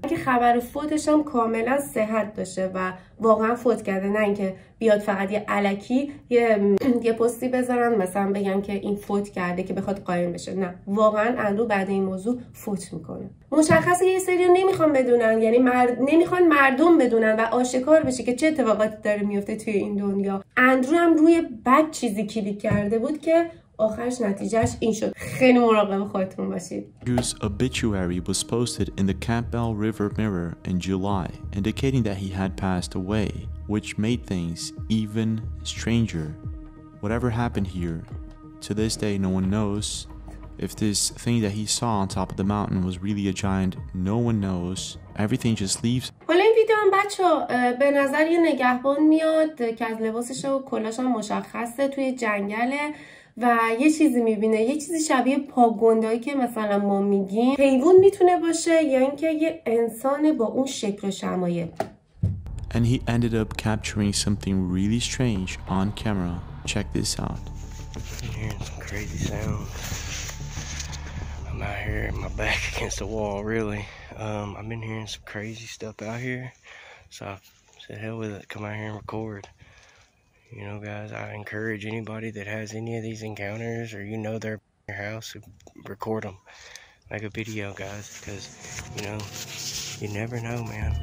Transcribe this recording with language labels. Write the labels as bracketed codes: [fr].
[fa] اگه خبر فوتش هم کاملا صحت داشته و واقعا فوت کرده، نه اینکه بیاد فقط یه الکی یه پستی بذارن مثلا بگن که این فوت کرده که بخواد قایم بشه، نه واقعا اندرو بعد این موضوع فوت میکنه. مشخصه یه سری رو نمیخوان بدونن، یعنی نمیخوان مردم بدونن و آشکار بشه که چه اتفاقاتی داره میفته توی این دنیا. اندرو هم روی بد چیزی کلیک کرده بود که آخرش نتیجهش این شد. خیلی مراقب خودتون باشید. [en] Andrew's obituary was posted in the Campbell River Mirror in July, indicating that he had passed away, which made things even stranger. Whatever happened here, to this day no one knows. If this thing that he saw on top of the mountain was really a giant, no one knows. Everything just leaves. [fa] حالا این ویدیو هم بچه به نظر یه نگهبان میاد که از لباسش و کلاش هم مشخصه توی جنگله و یه چیزی میبینه، یه چیزی شبیه پاگوندایی که مثلا ما میگیم، حیوان میتونه باشه یا اینکه یه انسان با اون شکل و شمایل. [en] And he ended up capturing something really strange on camera. Check this out. Hearing some crazy sounds. I'm out here, my back against the wall, really. I've been hearing some crazy stuff out here. So I said, hell with it, come out here and record. You know, guys, I encourage anybody that has any of these encounters or you know they're in your house, record them like a video, guys, because, you know, you never know, man.